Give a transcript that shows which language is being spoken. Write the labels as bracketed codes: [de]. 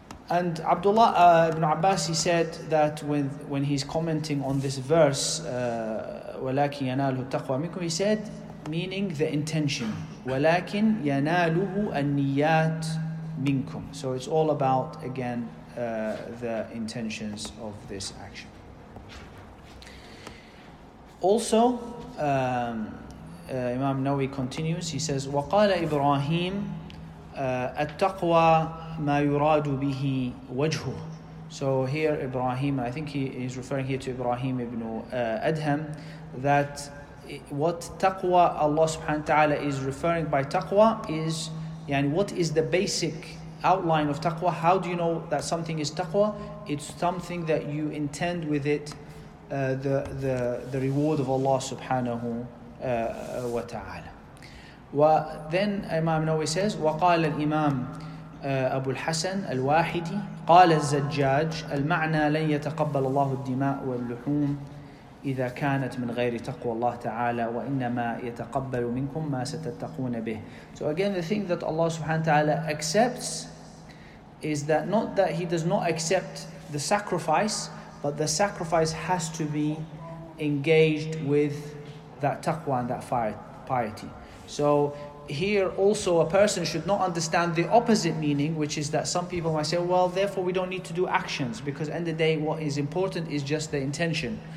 [en] And Abdullah ibn Abbas, he said that when he's commenting on this verse, [ar] وَلَكِنْ يَنَالُهُ التَّقْوَى مِنْكُمْ, [en] he said, meaning the intention, [ar] وَلَكِنْ يَنَالُهُ النِّيَّاتُ مِنْكُمْ. [en] So it's all about, again, the intentions of this action. Also, Imam Nawawi continues, he says, [ar] وَقَالَ إِبْرَاهِيمُ التَّقْوَى مَا يُرَادُ بِهِ وَجْهُهُ. [en] So here Ibrahim, I think he is referring here to Ibrahim ibn Adham, that what taqwa, Allah subhanahu wa ta'ala is referring by taqwa is, what is the basic outline of taqwa? How do you know that something is taqwa? It's something that you intend with it the reward of Allah subhanahu wa ta'ala. Then Imam Nawawi says, [ar] وقال الإمام أبو الحسن الواحدي قال الزجاج المعنى لن يتقبل الله الدماء واللحوم إذا كانت من غير تقوى الله تعالى وإنما يتقبل منكم ما ستتقون به. [en] So again, the thing that Allah subhanahu wa ta'ala accepts is that not that He does not accept the sacrifice, but the sacrifice has to be engaged with that taqwa and that piety. So here also a person should not understand the opposite meaning, which is that some people might say, well, therefore we don't need to do actions, because end of the day what is important is just the intention.